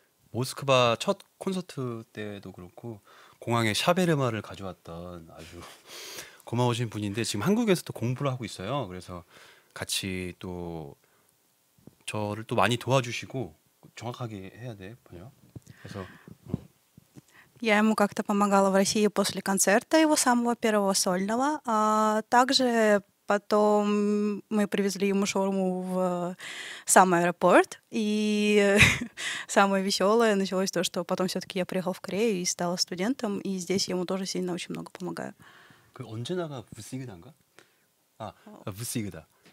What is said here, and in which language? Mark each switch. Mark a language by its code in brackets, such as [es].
[ko] 모스크바 첫 콘서트 때도 그렇고 공항에 샤베르마를 가져왔던 아주 고마우신 분인데 지금 한국에서 또 공부를 하고 있어요. 그래서 같이 또 저를 또 많이 도와주시고 정확하게 해야 돼, 번역. 그래서 [ru] Я ему как-то помогала в России после концерта его самого первого сольного. А также потом мы привезли ему шаурму в сам аэропорт. И самое веселое началось то, что потом все-таки я приехала в Корею и стала студентом. И здесь я ему тоже сильно очень много помогаю. [ko] 그 언제나가 부싱이란가? 아, 부싱이다.